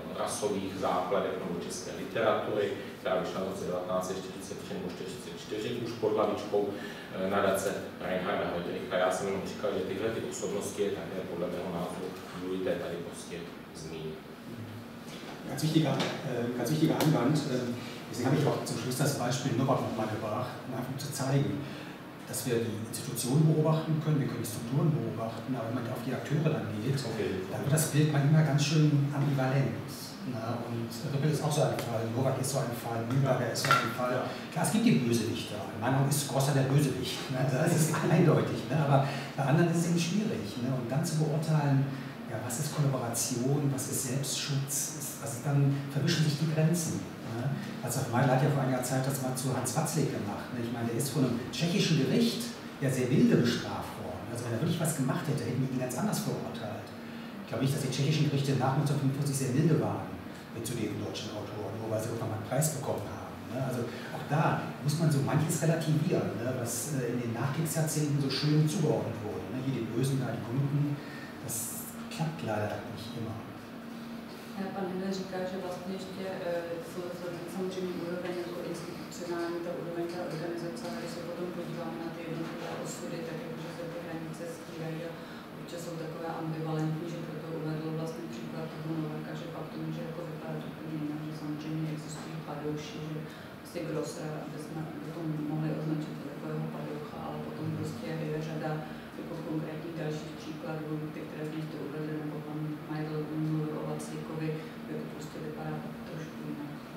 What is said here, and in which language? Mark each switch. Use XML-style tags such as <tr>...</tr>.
<cs>rasových základech nebo české literatury, která vyšla v roce 1943 nebo 1944 už pod hlavičkou nadace Reinharda Heydricha. Já jsem jenom říkal, že tyhle ty osobnosti je také podle mého názoru důležité tady prostě zmínit.</cs> <de>Ganz wichtiger Einwand, deswegen habe ich auch zum Schluss das Beispiel Novak nochmal gebracht, um einfach zu zeigen, dass wir die Institutionen beobachten können, wir können die Strukturen beobachten, aber wenn man auf die Akteure dann geht, okay, dann wird das Bild manchmal ganz schön ambivalent. Na, und Rippel ist auch so ein Fall, Novak ist so ein Fall, Nürnberger ist so ein Fall. Klar, es gibt die Bösewichter, in meiner Meinung ist Grosser der Bösewicht, ne? Das ist eindeutig, ne? Aber bei anderen ist es eben schwierig. Ne? Und dann zu beurteilen, ja, was ist Kollaboration, was ist Selbstschutz, also dann verwischen sich die Grenzen. Also Meidl hat ja vor einiger Zeit das mal zu Hans Watzlik gemacht. Ich meine, der ist von einem tschechischen Gericht ja sehr milde bestraft worden. Also wenn er wirklich was gemacht hätte, hätten wir ihn ganz anders verurteilt. Ich glaube nicht, dass die tschechischen Gerichte nach 1945 sehr milde waren zu den deutschen Autoren, nur weil sie irgendwann mal einen Preis bekommen haben. Also auch da muss man so manches relativieren, was in den Nachkriegsjahrzehnten so schön zugeordnet wurde. Hier die Bösen, da die Guten. Das klappt leider nicht immer.</de> <cs>Pan Hinner říká, že vlastně ještě samozřejmě úroveň jako institucionální, ta úroveň ta organizace, a když se potom podíváme na ty jednotlivé osudy, tak jakože se ty hranice stírají a občas jsou takové ambivalentní, že proto uvedl vlastně příklad toho Novaka, že pak to může jako vypadat úplně jinak, že samozřejmě existují padouši, že vlastně Grosser, aby jsme potom mohli označit jako jeho padoucha, ale potom prostě je řada jako konkrétních dalších příkladů, ty, které v nich to uvedli, nebo pan Majdl mluvil o Vaclíkovi, kde to prostě vypadá trošku jinak.</cs>